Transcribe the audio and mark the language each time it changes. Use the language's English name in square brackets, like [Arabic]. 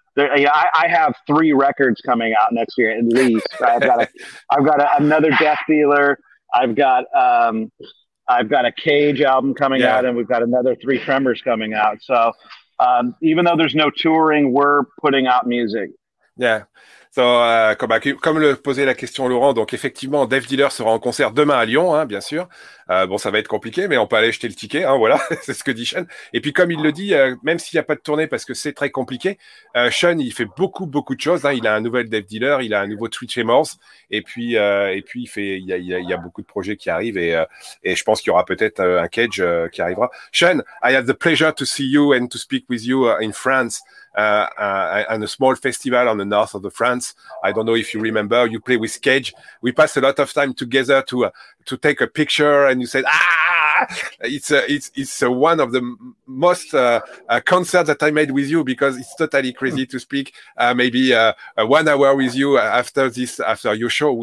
[English] I have three records coming out next year at least. I've got another Death Dealer. I've got a Cage album coming out, and we've got another three Tremors coming out. So even though there's no touring, we're putting out music. Yeah. [French] So, comme le posait la question Laurent, donc effectivement, Death Dealer sera en concert demain à Lyon, hein, bien sûr. Bon, ça va être compliqué, mais on peut aller jeter le ticket, hein, voilà, c'est ce que dit Sean. Et puis, comme il le dit, même s'il n'y a pas de tournée, parce que c'est très compliqué, Sean, il fait beaucoup, beaucoup de choses. Hein. Il a un nouvel Death Dealer, il a un nouveau Twitch Amors, et puis il y a beaucoup de projets qui arrivent, et je pense qu'il y aura peut-être un Cage qui arrivera. [English] Sean, I have the pleasure to see you and to speak with you in France. And a small festival on the north of the France. I don't know if you remember, you play with Cage. We passed a lot of time together to take a picture, and you said, one of the most concerts that I made with you, because it's totally crazy to speak maybe 1 hour with you after your show.